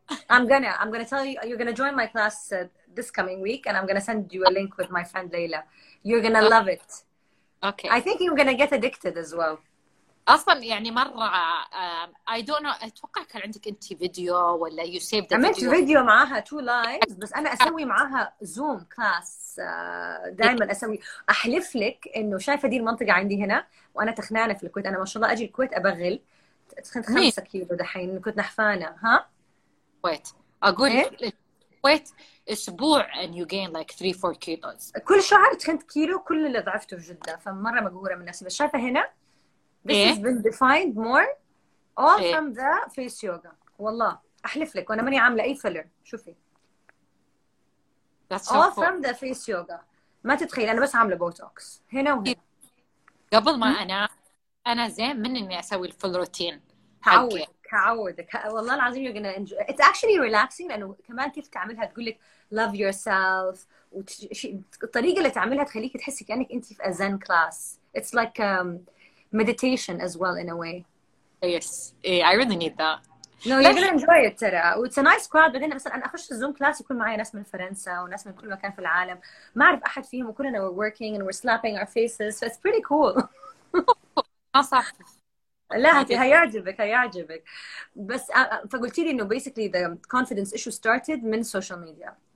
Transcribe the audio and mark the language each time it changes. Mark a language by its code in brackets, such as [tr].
[en] I'm gonna tell you you're gonna join my class this coming week and I'm gonna send you a link with my friend Layla you're gonna love it okay I think you're gonna get addicted as well [ar] أصلاً يعني مرة [en] I don't know [ar] أتوقع كان عندك أنت فيديو ولا [en] you saved the [ar] عملت فيديو معها [en] two lives [ar] بس أنا أسوي معها زوم كلاس دائماً أسوي أحلف لك إنه شايفة دي المنطقة عندي هنا وأنا تخنانة في الكويت أنا ما شاء الله أجي الكويت أبغل تخنت 5 كيلو دحين كنت نحفانة ها كويت أقول كويت أسبوع [en] and you gain like 3-4 kilos [ar] كل شعر تخنت كيلو كل اللي ضعفته في جدة فمرة مقهورة من نفسي بس شايفة هنا [en] This has been defined more all from the face yoga. [ar] والله أحلف لك وأنا ماني عاملة أي فيلر شوفي. [en] That's all from the face yoga. [ar] ما تتخيل أنا بس عاملة بوتوكس هنا وهنا. قبل ما أنا زين من إني أسوي الفل روتين. تعودك والله العظيم [en] you're gonna enjoy. It's actually relaxing [ar] لأنه كمان كيف تعملها تقول لك [en] love yourself [ar] الطريقة اللي تعملها تخليك تحسي كأنك أنت في [en] a zen class. It's like meditation as well in a way. Yes. Yeah, I really need that. No, you're gonna enjoy it, Tara. It's a nice crowd, but then [ar] مثلا أنا أخش الزوم كلاس يكون معايا ناس من فرنسا وناس من كل مكان في العالم. ما أعرف أحد فيهم وكلنا [en] we're working and we're slapping our faces. So it's pretty cool. [ar] صح. لا هيعجبك. بس فقلتي لي إنه [en] basically the confidence issue started [ar] من social media.